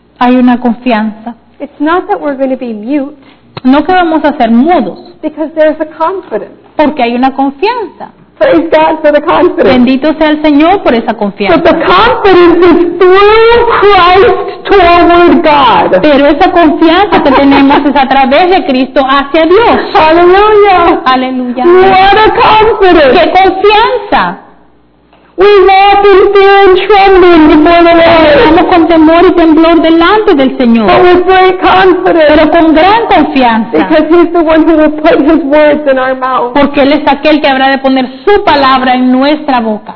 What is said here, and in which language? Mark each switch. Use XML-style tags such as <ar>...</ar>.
<es>Hay una confianza.</es> <en>It's not that we're going to be mute.</en> <es>No que vamos a ser mudos.</es> <en>Because there's a confidence.</en> <es>Porque hay una confianza.</es> <en>Praise God for the confidence.</en> <es>Bendito sea el Señor por esa confianza.</es> <en>But the confidence is through Christ toward God.</en> <es>Pero esa confianza que tenemos es a través de Cristo hacia Dios.</es> <en>Hallelujah.</en> <es>Aleluya.</es> <en>What a confidence.</en> <es>Qué confianza.</es> <en>We walk in fear and trembling before the Lord.</en> <es>Estamos con temor y temblor delante del Señor.</es> <en>But with great confidence.</en> <es>Pero con gran confianza.</es> <en>Because he's the one who will put his words in our mouth.</en> <es>Porque él es aquel que habrá de poner su palabra en nuestra boca.</es>